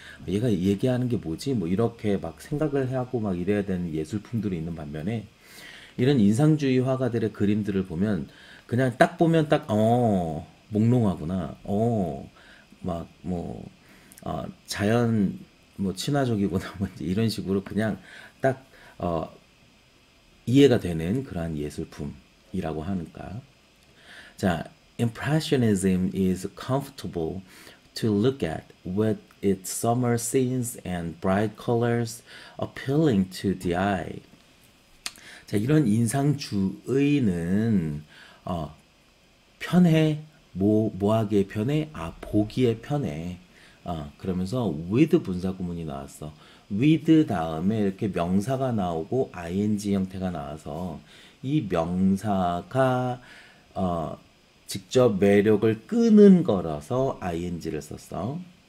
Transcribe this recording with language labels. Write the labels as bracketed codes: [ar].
[ko] 얘가 얘기하는 게 뭐지? 뭐 이렇게 막 생각을 하고 막 이래야 되는 예술품들이 있는 반면에 이런 인상주의 화가들의 그림들을 보면 그냥 딱 보면 딱 몽롱하구나. 막뭐 자연 뭐 친화적이구나 뭔지 이런 식으로 그냥 딱 이해가 되는 그러한 예술품이라고 하니까. [en] 자, Impressionism is comfortable to look at with its summer scenes and bright colors appealing to the eye. [ko] 자, 이런 인상주의는 편해. 뭐하기에 편해? 아, 보기에 편해. 그러면서 with 분사구문이 나왔어. with 다음에 이렇게 명사가 나오고 ing 형태가 나와서 이 명사가 직접 매력을 끄는 거라서 ing를 썼어.